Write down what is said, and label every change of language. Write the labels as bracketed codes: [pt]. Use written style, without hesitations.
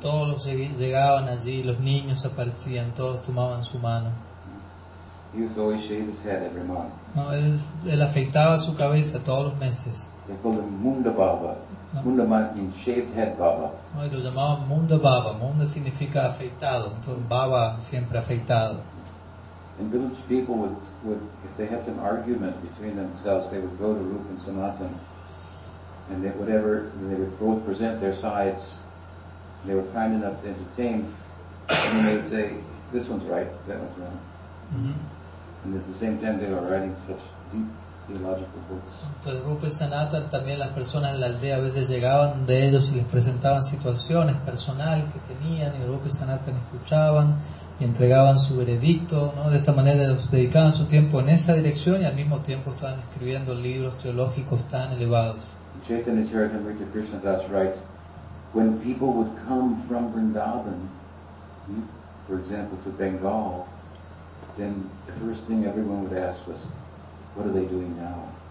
[es] Todos llegaban allí, los niños aparecían, todos tomaban su mano. [en] He used to always shave his head every month. [es] No, él afeitaba su cabeza todos los meses. [en] They called him Munda Baba. No. Munda means shaved head Baba. [es] No, lo llamaban Munda Baba. Munda significa afeitado. Entonces Baba siempre afeitado. [en] And village people would, if they had some argument between themselves, they would go to Rupa and Sanatan, and they, whatever they would both present their sides. They were kind enough to entertain, and they would say, "This one's right, that one's wrong." Mm-hmm. And at the same time, they were writing such deep theological books. [es] Entonces, Rupa y Sanatan, también las personas de la aldea a veces llegaban de ellos y les presentaban situaciones personales que tenían, y Rupa y Sanatan escuchaban y entregaban su veredicto, ¿no? De esta manera los dedicaban su tiempo en esa dirección y al mismo tiempo estaban escribiendo libros teológicos tan elevados. [en] Chaitanya Charitamrita Krishna Das writes, when people would come from Vrindavan, for example, to Bengal, then the first thing everyone would ask was, what are they doing now?